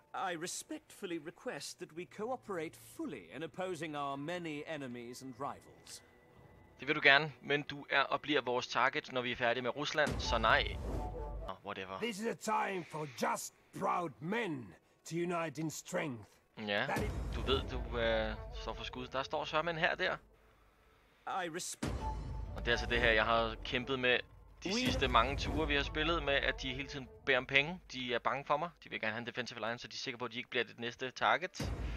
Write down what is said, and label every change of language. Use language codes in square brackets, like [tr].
[en] I respectfully request that we cooperate fully in opposing our many enemies and rivals. [da] Det vil du gerne, men du er og bliver vores target, når vi er færdige med Rusland, så nej. [en] Whatever. This is a time for just proud men to unite in strength. [da] Ja, du ved, du står for skud. Der står sørmænd her der. Og det er altså det her, jeg har kæmpet med de sidste mange ture, vi har spillet med, at de hele tiden bærer om penge. De er bange for mig. De vil gerne have en defensive line, så de er sikre på, at de ikke bliver det næste target.